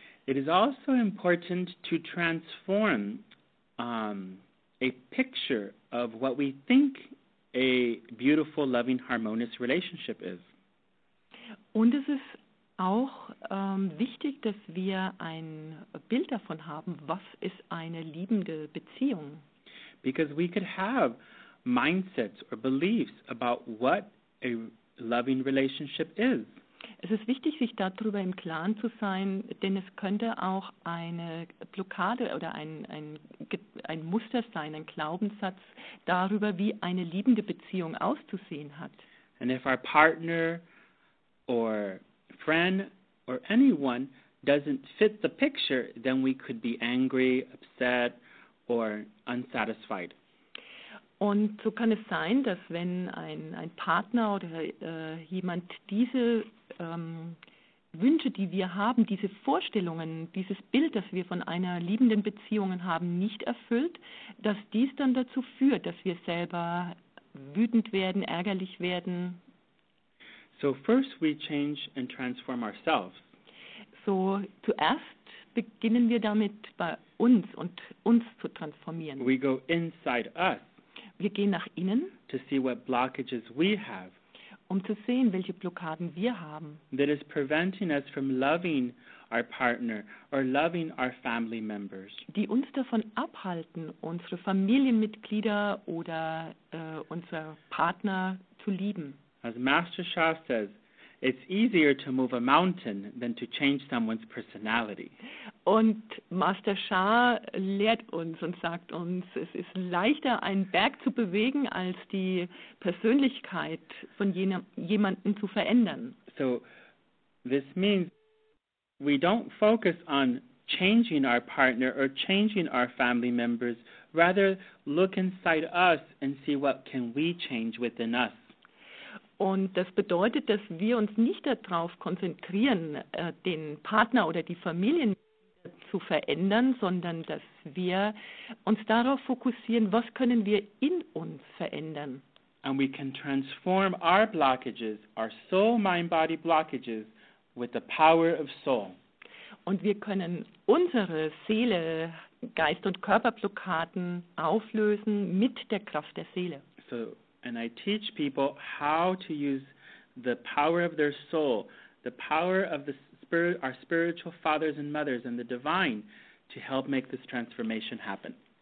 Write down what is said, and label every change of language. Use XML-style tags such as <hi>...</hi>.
<en>It is also important to transform a picture of what we think a beautiful, loving, harmonious relationship is.</en> <de>Und es ist auch wichtig, dass wir ein Bild davon haben, was ist eine liebende Beziehung.</de> <en>Because we could have mindsets or beliefs about what a loving relationship is.</en> <de>Es ist wichtig, sich darüber im Klaren zu sein, denn es könnte auch eine Blockade oder ein Muster sein, ein Glaubenssatz darüber, wie eine liebende Beziehung auszusehen hat.</de> <en>And if our partner or friend or anyone doesn't fit the picture, then we could be angry, upset, or unsatisfied.</en> <de>Und so kann es sein, dass wenn ein Partner oder jemand diese Wünsche, die wir haben, diese Vorstellungen, dieses Bild, das wir von einer liebenden Beziehung haben, nicht erfüllt, dass dies dann dazu führt, dass wir selber wütend werden, ärgerlich werden.</de> <en>So first we change and transform ourselves.</en> <de>So zuerst beginnen wir damit, bei uns und uns zu transformieren.</de> <en>We go inside us.</en> <de>Wir gehen nach innen,</de> <en>to see what blockages we have.</en> <de>Um zu sehen, welche Blockaden wir haben.</de> <en>That is preventing us from loving our partner or loving our family members.</en> <de>Die uns davon abhalten, unsere Familienmitglieder oder unser Partner zu lieben.</de> <en>As Master Shah says, it's easier to move a mountain than to change someone's personality.</en> <de>Und Master Shah lehrt uns und sagt uns, es ist leichter, einen Berg zu bewegen, als die Persönlichkeit von jemanden zu verändern.</de> <en>So, this means we don't focus on changing our partner or changing our family members, rather look inside us and see what can we change within us.</en> <de>Und das bedeutet, dass wir uns nicht darauf konzentrieren, den Partner oder die Familien zu verändern, sondern dass wir uns darauf fokussieren, was können wir in uns verändern.</de> <en>And we can transform our blockages, our soul, mind, body blockages, with the power of soul.</en> <de>Und wir können unsere Seele, Geist- und Körperblockaden auflösen mit der Kraft der Seele.</de> <en>So. And I teach people how to use the power of their soul, the power of the spirit, our spiritual fathers and mothers and the divine to help make this transformation happen.</en>